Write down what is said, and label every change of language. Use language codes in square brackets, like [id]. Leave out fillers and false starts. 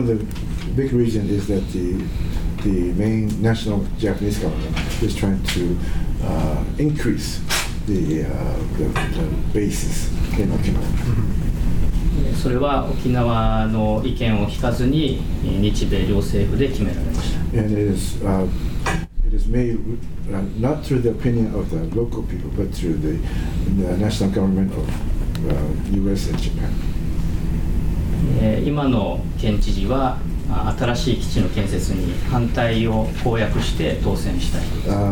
[en] of the big reasons is that the main national Japanese government is trying to increase the bases in Okinawa. [ja] それは沖縄の意見を聞かずに日米両政府で決められました。 [en] And it is, uh, it is made not through the opinion of the local people, but through the national government of US and Japan. [ja] 今の県知事は新しい基地の建設に反対を公約して当選した人です。